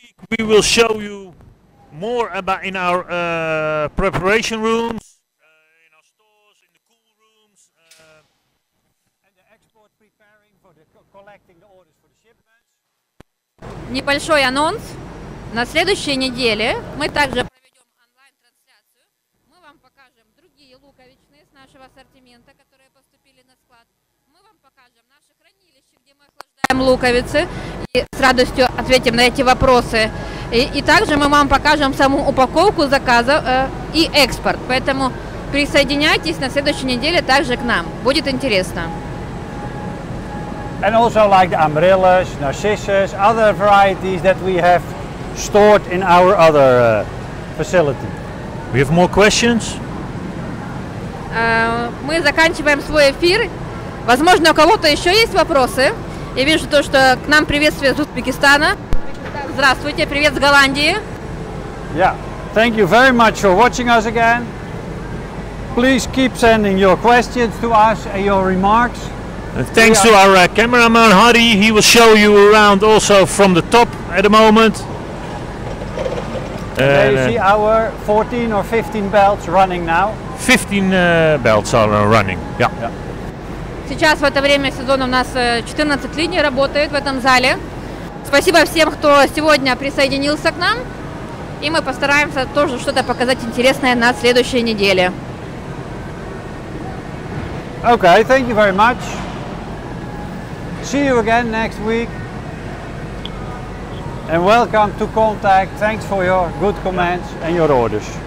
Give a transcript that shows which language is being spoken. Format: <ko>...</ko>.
<en>we will show you more about in our preparation rooms, in our stores, in the cool rooms, and the export preparing for the collecting the orders for the shipments.</en> <ru>Небольшой анонс. На следующей неделе мы также проведем онлайн-трансляцию. Мы вам покажем другие луковичные с нашего ассортимента, которые поступили на склад. Мы вам покажем наше хранилище, где мы охлаждаем луковицы. И с радостью ответим на эти вопросы. И также мы вам покажем саму упаковку заказа и экспорт. Поэтому присоединяйтесь на следующей неделе также к нам. Будет интересно.</ru> <en>And also like the amaryllis, narcissus, other varieties that we have stored in our other facility. We have more questions?</en> <ru>Мы заканчиваем свой эфир. Возможно, у кого-то еще есть вопросы. Я вижу то, что к нам приветствие из Узбекистана. Здравствуйте, привет с Голландии.</ru> <en>Yeah, thank you very much for watching us again. Please keep sending your questions to us and your remarks. Thanks to our cameraman Hadi, he will show you around also from the top at the moment. And there you see our 14 or 15 belts running now. 15 belts are running, yeah.</en> <ru>Сейчас в это время сезона у нас 14 линий работают в этом зале. Спасибо всем, кто сегодня присоединился к нам. И мы постараемся тоже что-то показать интересное на следующей неделе.</ru> <en>Okay, thank you very much. See you again next week. And welcome to Contact. Thanks for your good comments and your orders.</en>